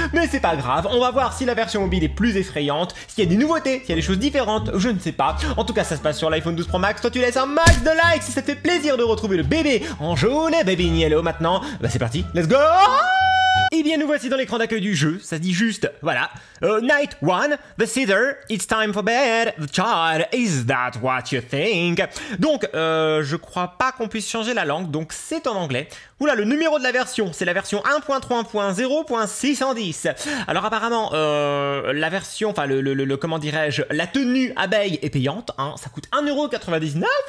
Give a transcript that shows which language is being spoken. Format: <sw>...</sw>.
<fr>Mais c'est pas grave, on va voir si la version mobile est plus effrayante, s'il y a des nouveautés, s'il y a des choses différentes, je ne sais pas. En tout cas, ça se passe sur l'iPhone 12 Pro Max, toi tu laisses un max de likes si ça te fait plaisir de retrouver le bébé en jaune et baby yellow maintenant. Bah c'est parti, let's go! Et bien nous voici dans l'écran d'accueil du jeu, ça dit juste, voilà.</fr> <en>Night one, the scissor, it's time for bed, the child, is that what you think?</en> <fr>Donc, je crois pas qu'on puisse changer la langue, donc c'est en anglais. Oula, le numéro de la version, c'est la version 1.3.0.610. Alors apparemment, la version, enfin le comment dirais-je, la tenue abeille est payante, hein, ça coûte 1,99€.</fr>